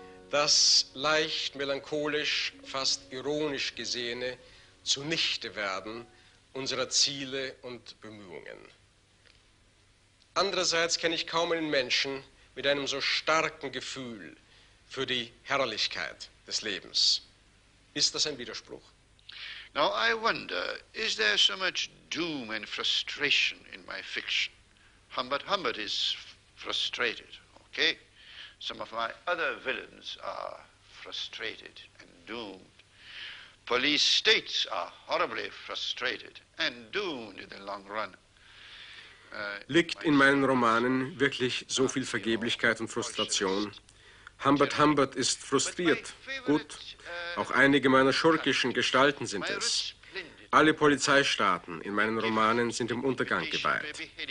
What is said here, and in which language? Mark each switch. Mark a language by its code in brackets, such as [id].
[de] Das leicht melancholisch, fast ironisch Gesehene Zunichtewerden unserer Ziele und Bemühungen. Andererseits kenne ich kaum einen Menschen mit einem so starken Gefühl für die Herrlichkeit des Lebens. Ist das ein Widerspruch? [en] Now I wonder, is there so much doom and frustration in my fiction? Humbert is frustrated, okay? Some of my other villains are frustrated and doomed. Police states are horribly frustrated and doomed in the long run. [de] Liegt in meinen Romanen wirklich so viel Vergeblichkeit und Frustration? Humbert ist frustriert, gut. Auch einige meiner schurkischen Gestalten sind es. Alle Polizeistaaten in meinen Romanen sind im Untergang geweiht.